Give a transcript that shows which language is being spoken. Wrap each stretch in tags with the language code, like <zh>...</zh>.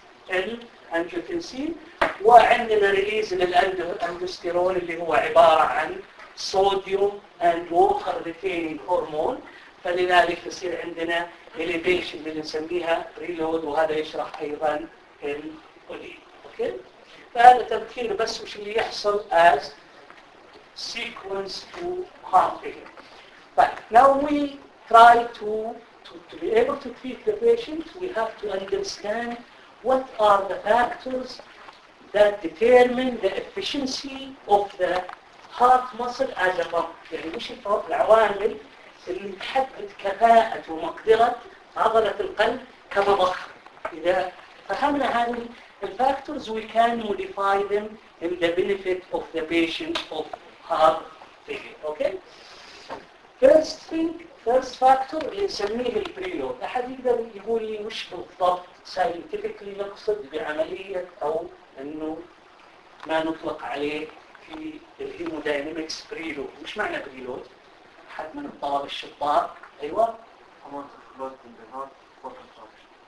<ar>الانجيوتنسين وعندنا ريليز للاندوستيرون اللي هو عباره عن صوديوم اند ووتر ريتينينج هرمون فلذلك يصير عندنا الليبيشن اللي نسميها ريلود وهذا يشرح ايضا الاوليد اوكي فهذا تذكير بس وش اللي يحصل</ar> <en>as sequence to heart failure. But now we try to be able to treat the patient, we have to understand what are the factors that determine the efficiency of the heart muscle as a pump.</en> <ar>يعني وش العوامل اللي تحدد كفاءة ومقدرة عضلة القلب كمضخ. إذا فهمنا هذه</ar> <en>The factors we can modify them in the benefit of the patient of heart failure. Okay. First thing, first factor</en> <ar>نسميه البريلود. أحد يقدر يقول لي وش بالضبط scientifically نقصد بعملية أو إنه ما نطلق عليه في الهيمودينامكس بريلود. وش معنى بريلود؟ أحد من الطلاب الشطار. أيوة.</ar> <en>Amount of blood in the heart for contraction.</en>